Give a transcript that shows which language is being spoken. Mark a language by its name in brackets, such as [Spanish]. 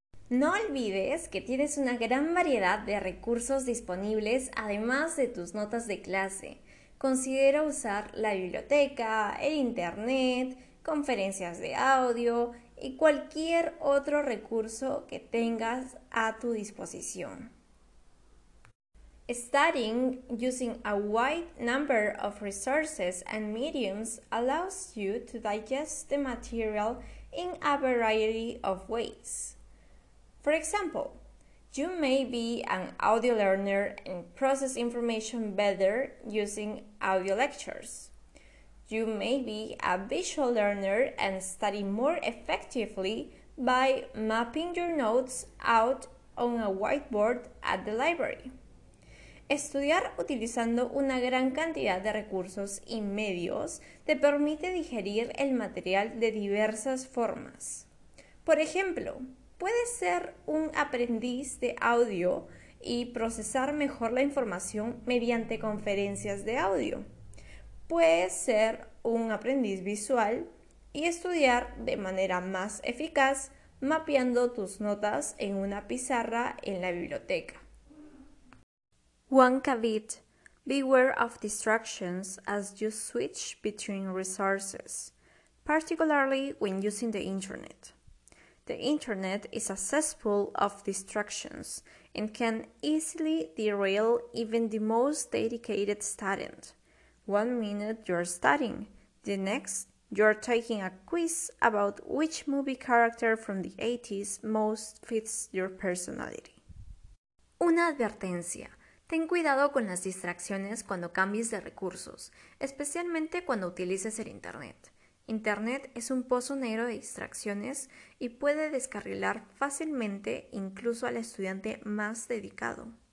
[Spanish] No olvides que tienes una gran variedad de recursos disponibles además de tus notas de clase. Considera usar la biblioteca, el internet, conferencias de audio y cualquier otro recurso que tengas a tu disposición. [English] Studying using a wide number of resources and mediums allows you to digest the material in a variety of ways. For example, you may be an audio learner and process information better using audio lectures. You may be a visual learner and study more effectively by mapping your notes out on a whiteboard at the library. [Spanish] Estudiar utilizando una gran cantidad de recursos y medios te permite digerir el material de diversas formas. Por ejemplo, puedes ser un aprendiz de audio y procesar mejor la información mediante conferencias de audio. Puedes ser un aprendiz visual y estudiar de manera más eficaz mapeando tus notas en una pizarra en la biblioteca. [English] One caveat, beware of distractions as you switch between resources, particularly when using the internet. The internet is a cesspool of distractions and can easily derail even the most dedicated student. 1 minute you're studying, the next You are taking a quiz about which movie character from the 80s most fits your personality. [Spanish] Una advertencia. Ten cuidado con las distracciones cuando cambies de recursos, especialmente cuando utilices el Internet. Internet es un pozo negro de distracciones y puede descarrilar fácilmente incluso al estudiante más dedicado.